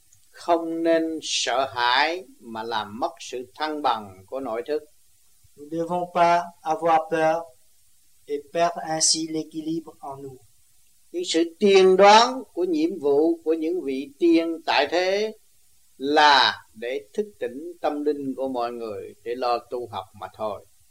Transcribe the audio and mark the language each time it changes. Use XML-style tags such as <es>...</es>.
<vi>Không nên sợ hãi mà làm mất sự thăng bằng của nội thức.</vi> <fr>Nous ne devons pas avoir peur et perdre ainsi l'équilibre en nous.</fr> <vi>Những sự tiên đoán của nhiệm vụ của những vị tiên tại thế là để thức tỉnh tâm linh của mọi người để lo tu học mà thôi.</vi>